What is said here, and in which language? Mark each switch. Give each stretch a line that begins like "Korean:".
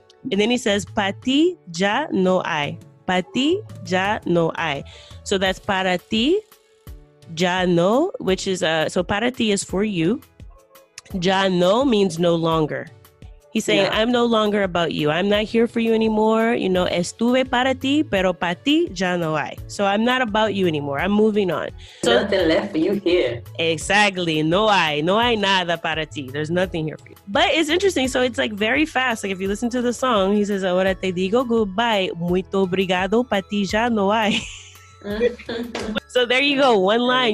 English: And then he says,
Spanish: pati ya no hay. Pati ya no hay.
English: So that's
Spanish: para ti ya no,
English: which is, so
Spanish: para ti
English: is for you.
Spanish: Ya no
English: means no longer. He's saying, yeah. I'm no longer about you. I'm not here for you anymore. You know,
Spanish: estuve para ti, pero para ti ya no hay.
English: So I'm not about you anymore. I'm moving on. So, nothing left for you here. Exactly.
Spanish: No hay. No hay nada para ti.
English: There's nothing here for you. But it's interesting. So it's like very fast. Like if you listen to the song, he says,
Spanish: ahora te digo
English: goodbye.
Portuguese: Muito obrigado.
Spanish: Para ti ya no hay.
English: So there you go. One line.